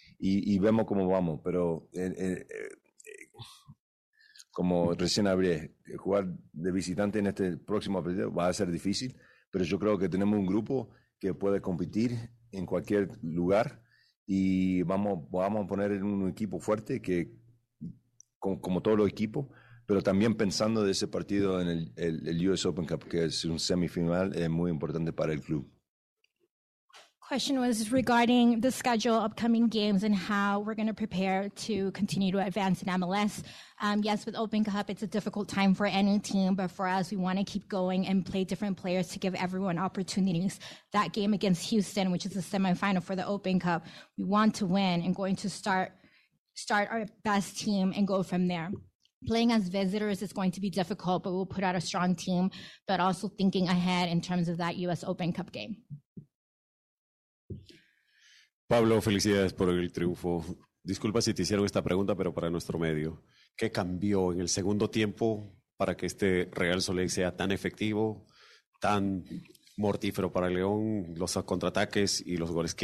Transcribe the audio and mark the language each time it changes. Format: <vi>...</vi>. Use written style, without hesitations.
<es>Y vemos cómo vamos, pero como recién hablé, jugar de visitante en este próximo partido va a ser difícil, pero yo creo que tenemos un grupo que puede competir en cualquier lugar y vamos a poner en un equipo fuerte, que como todos los equipos, pero también pensando de ese partido en el US Open Cup, que es un semifinal muy importante para el club.</es> <en>Question was regarding the schedule, upcoming games, and how we're going to prepare to continue to advance in MLS. Yes, with Open Cup, it's a difficult time for any team, but for us, we want to keep going and play different players to give everyone opportunities. That game against Houston, which is the semifinal for the Open Cup, we want to win and going to start our best team and go from there. Playing as visitors is going to be difficult, but we'll put out a strong team, but also thinking ahead in terms of that US Open Cup game.</en> <es>Pablo, felicidades por el triunfo. Disculpa si te hicieron esta pregunta, pero para nuestro medio, ¿qué cambió en el segundo tiempo para que este Real Salt Lake sea tan efectivo, tan mortífero para León, los contraataques y los goles?</es>